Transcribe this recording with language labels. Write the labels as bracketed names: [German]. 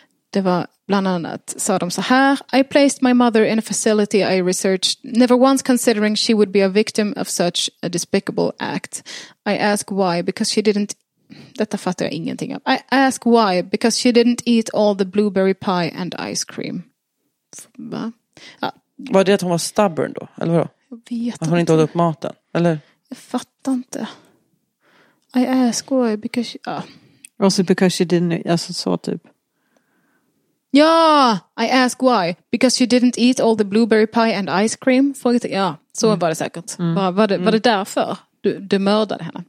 [Swedish] Det var bland annat, sa de så här: [English] I placed my mother in a facility I researched, never once considering she would be a victim of such a despicable act. I ask why, because she didn't... [Swedish] Detta fattar jag ingenting av. [English] I ask why, because she didn't eat all the blueberry pie and ice cream. [Swedish] Va? Ja. Var det att hon var stubborn då? Eller vadå? Jag vet inte. Hon inte åt upp maten? Eller? Jag fattar inte. [English] I ask why, because she... Ja. Also because she didn't... [Swedish] Alltså så typ. [English] Ja, I ask why, because you didn't eat all the blueberry pie and ice cream. [Swedish] Ja, så var det säkert. Var det därför du mördade henne?